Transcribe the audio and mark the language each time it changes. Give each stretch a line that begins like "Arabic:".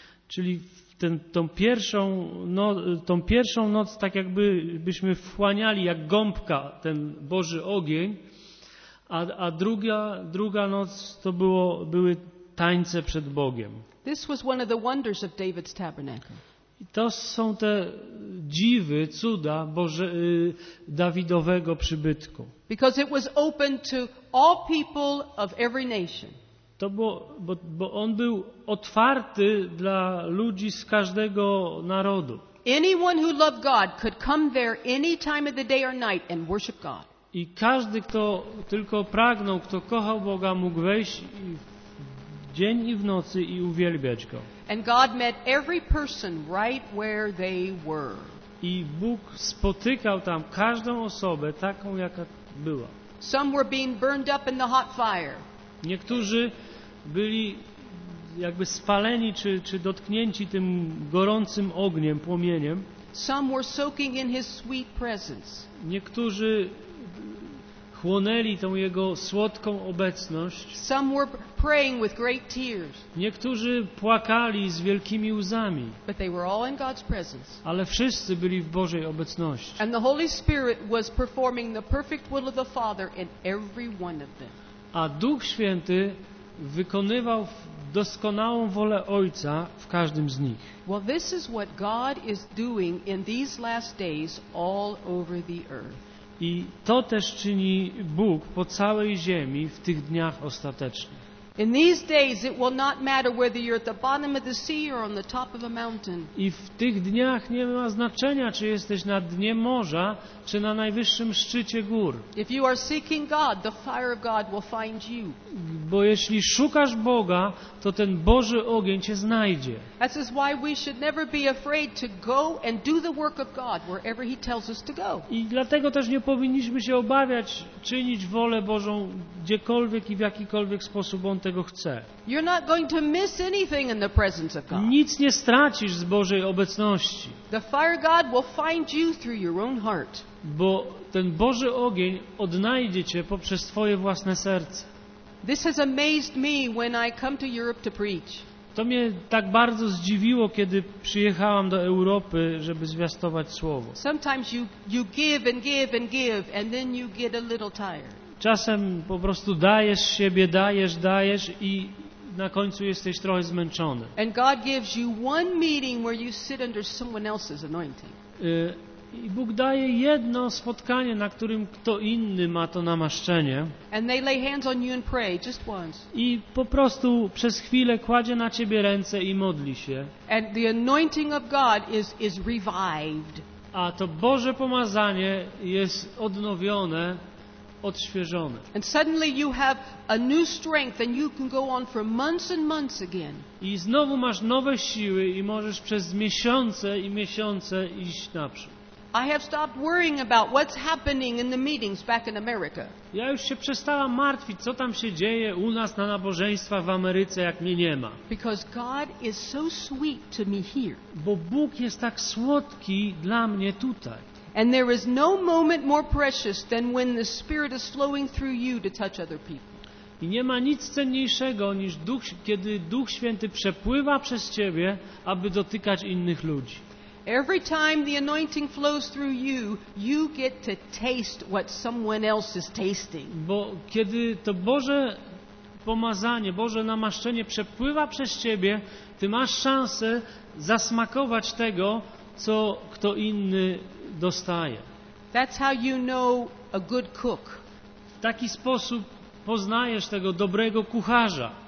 Polish: Czyli tą pierwszą noc tak jakby byśmy wchłaniali jak gąbka ten Boży ogień. A druga noc to były tańce przed Bogiem.
English: This was one of the wonders of David's tabernacle.
Polish: I to są te dziwy, cuda Boże, Dawidowego przybytku.
English: Because it was open to all people of every nation.
Polish: To bo on był otwarty dla ludzi z każdego narodu.
English: Anyone who loved God could come there any time of the day or night and worship God.
Polish: I każdy, kto tylko pragnął, kto kochał Boga, mógł wejść w dzień i w nocy i uwielbiać Go.
English: And God met every person right where they were.
Polish: I Bóg spotykał tam każdą osobę taką, jaka była.
English: Some were being burned up in the hot fire.
Polish: Niektórzy byli jakby spaleni czy dotknięci tym gorącym ogniem, płomieniem.
English: Some were soaking in His sweet presence.
Polish: Niektórzy chłonęli tą Jego słodką obecność.
English: Some were praying with great tears.
Polish: Niektórzy płakali z wielkimi łzami.
English: But they were all in God's presence.
Polish: Ale wszyscy byli w Bożej obecności.
English: And the Holy Spirit was performing the perfect will of the Father in every one of them.
Polish: A Duch Święty wykonywał doskonałą wolę Ojca w każdym z nich.
English: Well, this is what God is doing in these last days all over the earth.
Polish: I to też czyni Bóg po całej ziemi w tych dniach ostatecznych.
English: In these days it will not matter whether you're at the bottom of the sea or on the top of a mountain.
Polish: I w tych dniach nie ma znaczenia, czy jesteś na dnie morza, czy na najwyższym szczycie gór.
English: If you are seeking God, the fire of God will find you.
Polish: Bo jeśli szukasz Boga, to ten Boży ogień cię znajdzie.
English: That is why we should never be afraid to go and do the work of God wherever He tells us to go.
Polish: I dlatego też nie powinniśmy się obawiać czynić wolę Bożą gdziekolwiek i w jakikolwiek sposób On tego chce.
English: You're not going to miss anything in the presence of God.
Polish: Nic nie stracisz z Bożej obecności.
English: The fire God will find you through your own heart.
Polish: Bo ten Boży ogień odnajdzie cię poprzez twoje własne serce.
English: This has amazed me when I come to Europe to preach.
Polish: To mnie tak bardzo zdziwiło, kiedy przyjechałam do Europy, żeby zwiastować słowo.
English: Sometimes you give and give and give and then you get a little tired.
Polish: Czasem po prostu dajesz siebie, dajesz, dajesz i na końcu jesteś trochę zmęczony.
English: And God gives you one meeting where you sit under someone else's anointing.
Polish: I Bóg daje jedno spotkanie, na którym kto inny ma to namaszczenie.
English: And they lay hands on you and pray just once.
Polish: I po prostu przez chwilę kładzie na ciebie ręce i modli się.
English: And the anointing of God is revived.
Polish: A to Boże pomazanie jest odnowione. Odświeżone.
English: And suddenly you have a new strength and you can go on for months and months again.
Polish: I znowu masz nowe siły i możesz przez miesiące i miesiące iść naprzód.
English: I have stopped worrying about what's happening in the meetings back in America.
Polish: Ja już się przestałam martwić, co tam się dzieje u nas na nabożeństwach w Ameryce, jak mnie nie ma.
English: Because God is so sweet to me here.
Polish: Bo Bóg jest tak słodki dla mnie tutaj.
English: And there is no moment more precious than when the Spirit is flowing through you to touch other people.
Polish: I nie ma nic cenniejszego niż kiedy Duch Święty przepływa przez ciebie, aby dotykać innych ludzi.
English: Every time the anointing flows through you, you get to taste what someone else is tasting.
Polish: Bo kiedy to Boże pomazanie, Boże namaszczenie przepływa przez ciebie, ty masz szansę zasmakować tego, co kto inny dostaje.
English: That's how you know a good cook.
Polish: W taki sposób poznajesz tego dobrego kucharza.